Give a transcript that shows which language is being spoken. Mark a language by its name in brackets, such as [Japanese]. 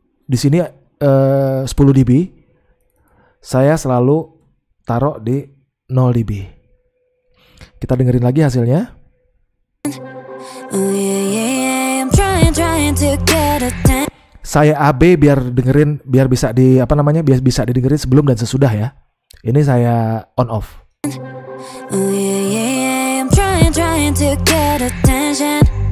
[Indonesian] Di sini 10 dB. Saya selalu taruh di 0 dB. Kita dengerin lagi hasilnya. [English] Oh yeah, yeah, yeah. I'm trying to get attention. [Indonesian] Saya AB biar bisa didengerin sebelum dan sesudah ya. Ini saya on off. [English] Oh yeah, yeah, yeah. I'm trying to get attention.